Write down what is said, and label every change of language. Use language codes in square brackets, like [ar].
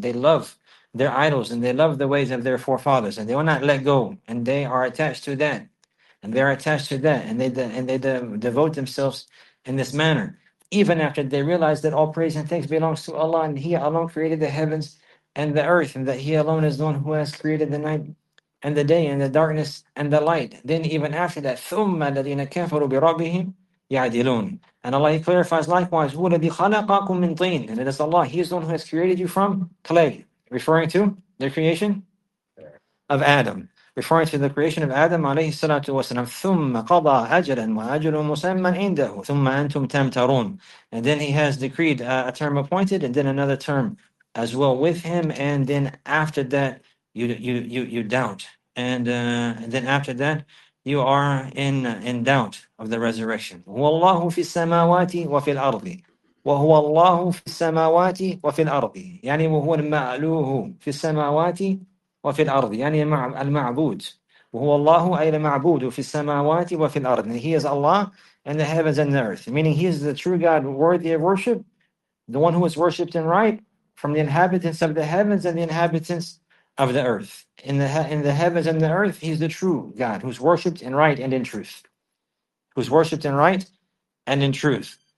[en] They love their idols, and they love the ways of their forefathers, and they will not let go, and they are attached to that, and they are attached to that, and they devote themselves in this manner, even after they realize that all praise and thanks belongs to Allah, and He alone created the heavens and the earth, and that He alone is the one who has created the night and the day and the darkness and the light. Then even after that, [ar] ثُمَّ الَّذِينَ كَفَرُوا بِرَبِّهِمْ يَعْدِلُونَ. [en] And Allah, He clarifies likewise, [ar] هُوَ الَّذِي خَلَقَكُم مِّن طِينٍ. [en] And it is Allah, He is the one who has created you from clay. Referring to the creation of Adam. Referring to the creation of Adam, alayhi salatu wasalam. [ar] ثُمَّ قَضَى أَجَلًا وَأَجَلٌ مُسَمًّا عِنْدَهُ ثُمَّ أَنْتُمْ تَمْتَرُونَ. [en] And then He has decreed a term appointed, and then another term as well with Him. And then after that, you doubt. And then after that, you are in doubt of the resurrection. [ar] وَاللَّهُ فِي السَّمَاوَاتِ وَفِي الْأَرْضِ. وهو الله في السماوات وفي الأرض يعني وهو المألوه في السماوات وفي الأرض يعني المعبود وهو الله أي المعبود في السماوات وفي الأرض. [en] And He is Allah in the heavens and the earth, meaning He is the true God worthy of worship, the one who is worshipped in right from the inhabitants of the heavens and the inhabitants of the earth. In the heavens and the earth, He is the true God who's worshipped in right and in truth, who's worshipped in right and in truth.